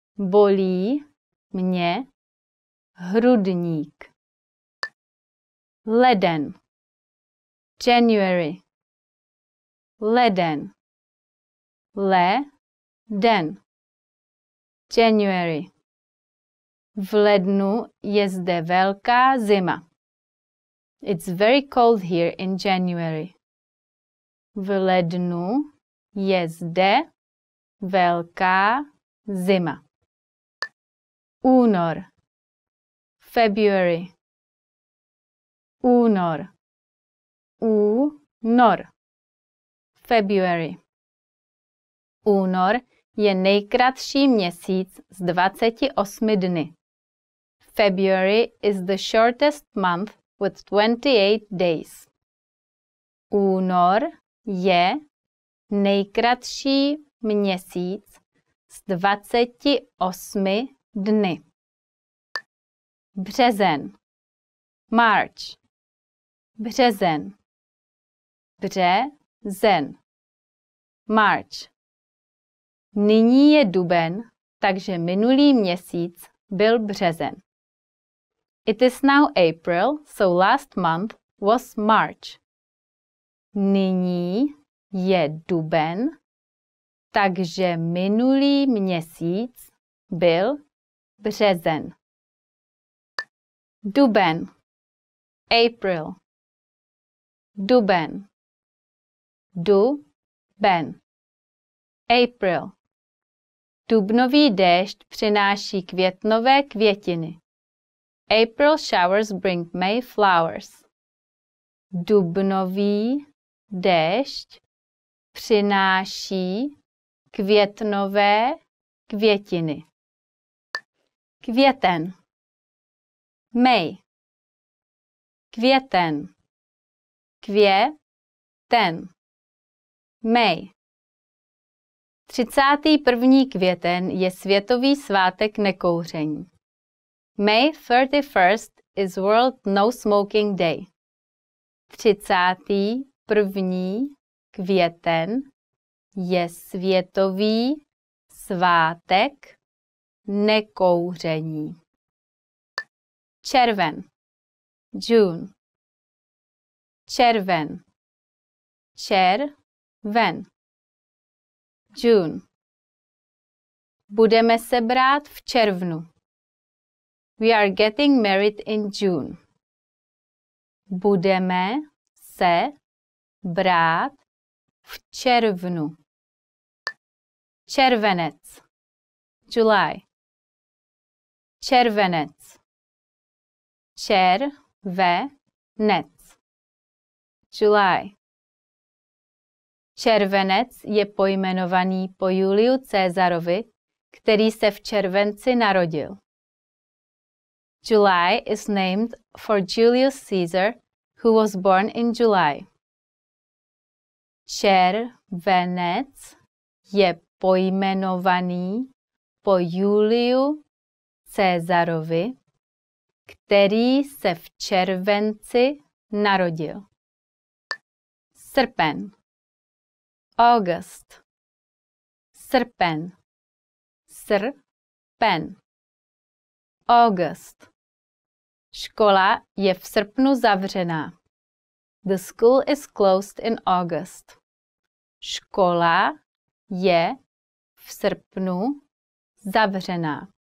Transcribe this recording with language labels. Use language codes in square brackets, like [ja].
[cs] Bolí mě hrudník. Leden. January. Leden. Le. Den. January. V lednu je zde velká zima. [en] It's very cold here in January. [cs] V lednu je zde velká zima. Únor. February. Únor. Únor. February. Únor je nejkratší měsíc z 28 dny. [en] February is the shortest month with 28 days. [cs] Únor je nejkratší měsíc z 28 dny. Březen. March. Březen. Březen. March. Nyní je duben, takže minulý měsíc byl březen. [en] It is now April, so last month was March. [cs] Nyní je duben, takže minulý měsíc byl březen. Duben. April. Duben. Duben. April. Dubnový déšť přináší květnové květiny. [en] April showers bring May flowers. [cs] Dubnový déšť přináší květnové květiny. Květen. May. Květen. Květen. May. 31. květen je světový svátek nekouření. [en] May 31st is World No Smoking Day. [cs] 31. květen je světový svátek nekouření. Červen. June. Červen. Červen. June. Budeme se brát v červnu. [en] We are getting married in June. [cs] Budeme se brát v červnu. Červenec. July. Červenec. Červenec. July. Červenec je pojmenovaný po Juliu Cezarovi, který se v červenci narodil. [en] July is named for Julius Caesar, who was born in July. [cs] Červenec je pojmenovaný po Juliu Cezarovi, který se v červenci narodil. Srpen. August. Srpen. Srpen. August. Škola je v srpnu zavřená. [en] The school is closed in August. [cs] Škola je v srpnu zavřená.